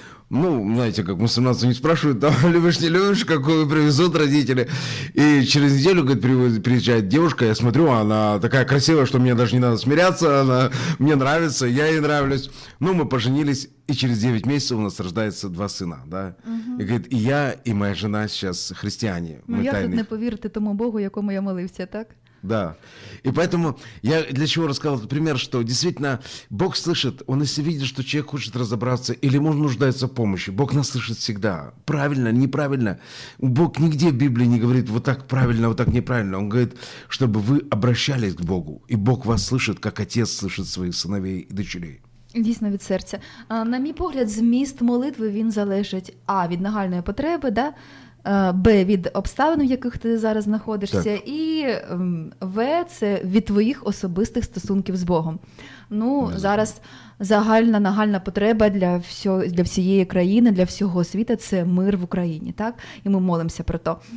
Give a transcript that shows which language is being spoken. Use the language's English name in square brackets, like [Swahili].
[Russian] Ну, знаете, как мусульманцы не спрашивают, там, любишь, не любишь, какую привезут родители. И через неделю, говорит, приезжает девушка, я смотрю, она такая красивая, что мне даже не надо смиряться, она мне нравится, я ей нравлюсь. Ну, мы поженились, и через 9 месяцев у нас рождается 2 сына, да. Угу. И говорит, и я, и моя жена сейчас христиане. [Ukrainian] Ну, я тут не повірити тому Богу, якому я молився, так? [Russian] Да. И поэтому я для чего рассказал этот пример, что действительно Бог слышит, Он если видит, что человек хочет разобраться или может нуждается в помощи, Бог нас слышит всегда. Правильно, неправильно. Бог нигде в Библии не говорит вот так правильно, вот так неправильно. Он говорит, чтобы вы обращались к Богу, и Бог вас слышит, как отец слышит своих сыновей и дочерей. [Ukrainian] Дійсно, від серця. На мій погляд, зміст молитви, він залежить від нагальної потреби, да? Б – від обставин, в яких ти зараз знаходишся, так. І В – це від твоїх особистих стосунків з Богом. Ну, не зараз знаю. Загальна нагальна потреба для всієї країни, для всього світу – це мир в Україні, так? І ми молимося про то.